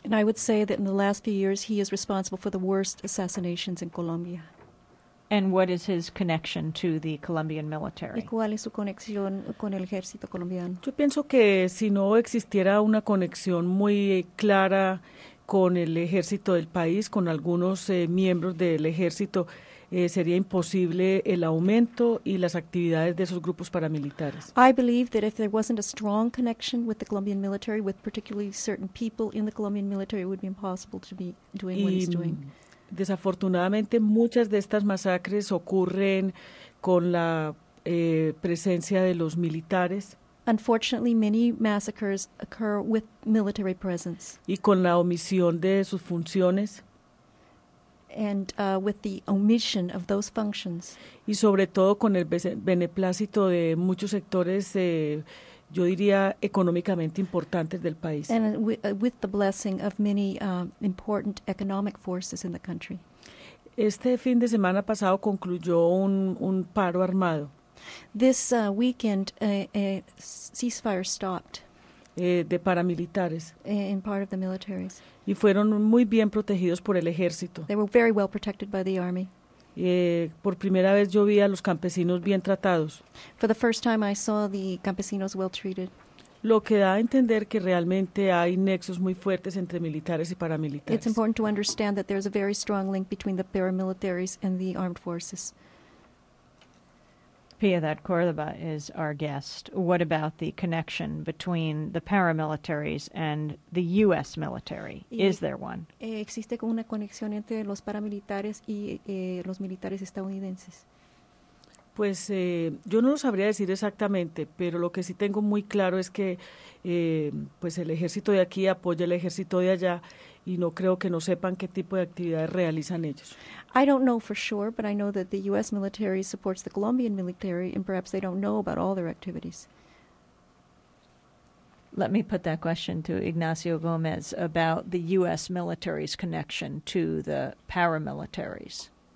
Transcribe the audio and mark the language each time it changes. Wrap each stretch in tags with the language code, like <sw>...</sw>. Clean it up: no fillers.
<en>And I would say that in the last few years he is responsible for the worst assassinations in Colombia. And what is his connection to the Colombian military?</en> <es>¿Y cuál es su conexión con el ejército colombiano? Yo pienso que si no existiera una conexión muy clara con el ejército del país, con algunos miembros del ejército, sería imposible el aumento y las actividades de esos grupos paramilitares.</es> <en>I believe that if there wasn't a strong connection with the Colombian military, with particularly certain people in the Colombian military, it would be impossible to be doing what he's doing.</en> <es>Desafortunadamente, muchas de estas masacres ocurren con la presencia de los militares.</es> <en>Unfortunately, many massacres occur with military presence.</en> <es>Y con la omisión de sus funciones.</es> <en>And with the omission of those functions.</en> <es>Y sobre todo con el beneplácito de muchos sectores, yo diría, económicamente importantes del país.</es> <en>And with the blessing of many important economic forces in the country.</en> <es>Este fin de semana pasado concluyó un paro armado.</es> <en>This weekend, a ceasefire stopped.</en> <es>De paramilitares.</es> <en>In part of the militaries.</en> <es>Y fueron muy bien protegidos por el ejército.</es> <en>They were very well protected by the army.</en> <es>Por primera vez yo vi a los campesinos bien tratados.</es> <en>For the first time I saw the campesinos well treated.</en> <es>Lo que da a entender que realmente hay nexos muy fuertes entre militares y paramilitares.</es> <en>It's important to understand that there's a very strong link between the paramilitaries and the armed forces. Piedad Córdova is our guest. What about the connection between the paramilitaries and the U.S. military? Is there one?</en> <es>Existe una conexión entre los paramilitares y los militares estadounidenses. Pues yo no lo sabría decir exactamente, pero lo que sí tengo muy claro es que pues el ejército de aquí apoya el ejército de allá y no creo que no sepan qué tipo de actividades realizan ellos. I don't know for sure, but I know that the U.S. military supports the Colombian military and perhaps they don't know about all their activities.</es> <en>Let me put that question to Ignacio Gómez about the U.S. military's connection to the paramilitaries.</en>